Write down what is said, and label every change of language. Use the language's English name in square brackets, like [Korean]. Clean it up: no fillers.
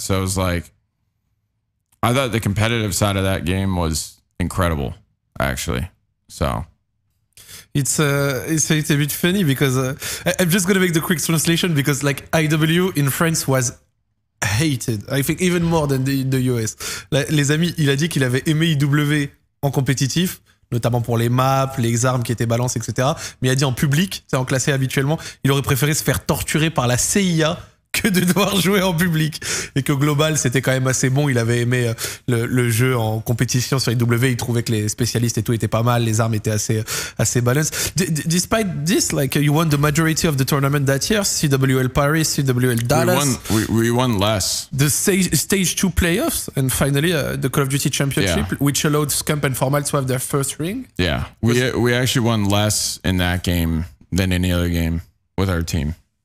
[English] So it was like, I thought the competitive side of that game was incredible, actually. So it's a bit funny because I'm just gonna make the quick translation because like IW in France was hated. I think even more than the US. [French] Les amis, il a dit qu'il avait aimé IW en compétitif. Notamment pour les maps, les armes qui étaient balancées, etc. Mais il a dit en public, c'est en classé habituellement, il aurait préféré se faire torturer par la CIA que de devoir jouer en public. Et que global, c'était quand même assez bon. Il avait aimé le jeu en compétition sur IW. Il trouvait que les spécialistes et tout étaient pas mal. Les armes étaient assez balanced. [English] Despite this, like, you won the majority of the tournament that year. CWL Paris, CWL Dallas. We won less. The stage 2 playoffs. And finally, the Call of Duty Championship, yeah. Which allowed Scamp and Formal to have their first ring. Yeah, we actually won less in that game than any other game with our team.